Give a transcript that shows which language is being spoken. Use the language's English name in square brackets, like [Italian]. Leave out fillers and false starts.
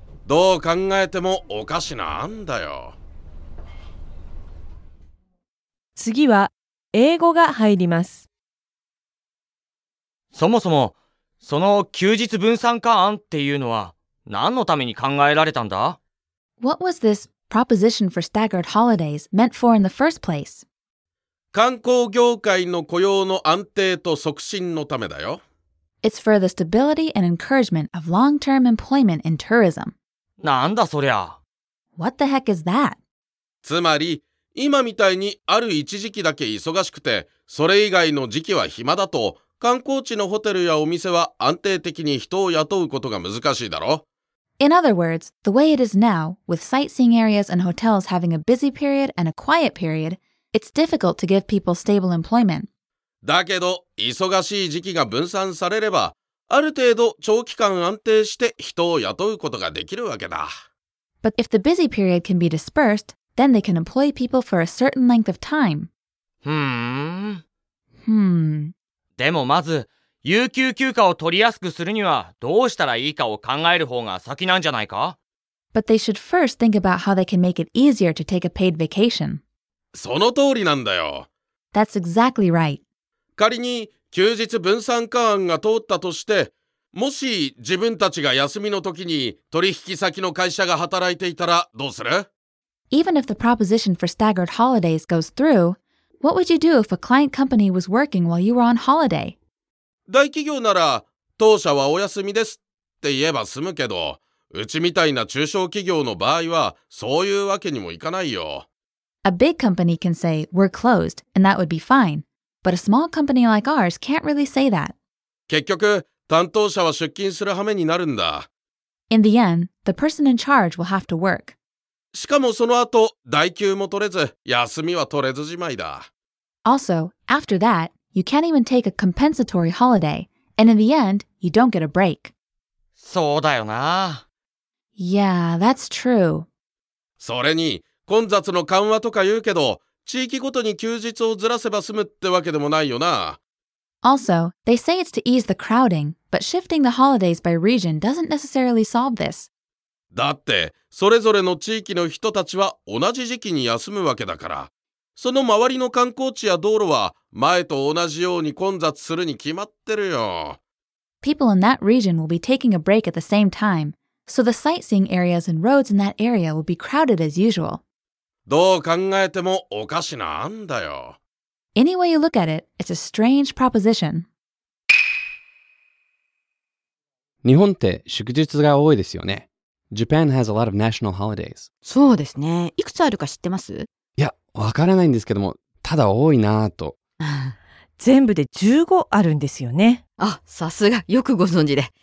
[Japanese] どう考えてもおかしな案だよ。次は英語が入ります。そもそもその休日分散化案っていうのは何のために考えられたんだ？ [English] What was this proposition for staggered holidays meant for in the first place? [Japanese] 観光業界の雇用の安定と促進のためだよ。 [English] It's for the stability and encouragement of long-term employment in tourism. [Japanese] なんだそりゃ。 [English] What the heck is that? [Japanese] つまり、今みたいにある一時期だけ忙しくて、それ以外の時期は暇だと、観光地のホテルやお店は安定的に人を雇うことが難しいだろ。 [English] In other words, the way it is now, with sightseeing areas and hotels having a busy period and a quiet period,It's difficult to give people stable employment. [Japanese] だけど、忙しい時期が分散されれば、ある程度長期間安定して人を雇うことができるわけだ。 [English] But if the busy period can be dispersed, then they can employ people for a certain length of time. [Japanese] でもまず、有給休暇を取りやすくするにはどうしたらいいかを考える方が先なんじゃないか？ [English] But they should first think about how they can make it easier to take a paid vacation. [Japanese] その通りなんだよ。 [English] That's exactly right. [Japanese] 仮に休日分散化案が通ったとして、もし自分たちが休みの時に取引先の会社が働いていたらどうする？ [English] Even if the proposition for staggered holidays goes through, What would you do if a client company was working while you were on holiday? [Japanese] 大企業なら当社はお休みですって言えば済むけど、うちみたいな中小企業の場合はそういうわけにもいかないよ。 [English] A big company can say, we're closed, and that would be fine. But a small company like ours can't really say that. [Japanese] 結局、担当者は出勤する羽目になるんだ。 [English] In the end, the person in charge will have to work. [Japanese] しかもその後、代休も取れず、休みは取れずじまいだ。 [English] Also, after that, you can't even take a compensatory holiday, and in the end, you don't get a break. [Japanese] そうだよな。 [English] Yeah, that's true. [Japanese] それに、混雑の緩和とか言うけど、地域ごとに休日をずらせば済むってわけでもないよな。 [English] Also, they say it's to ease the crowding, but shifting the holidays by region doesn't necessarily solve this. [Japanese] だって、それぞれの地域の人たちは同じ時期に休むわけだから。その周りの観光地や道路は前と同じように混雑するに決まってるよ。 [English] People in that region will be taking a break at the same time, so the sightseeing areas and roads in that area will be crowded as usual. [Japanese] どう考えてもおかしな案だよ。 [English] Any way you look at it, it's a strange proposition. [Japanese] 日本って祝日が多いですよね。 [English] Japan has a lot of national holidays. [Japanese] そうですね。いくつあるか知ってます？いや、わからないんですけども、ただ多いなと。全部で15あるんですよね。あ、さすが、よくご存知で。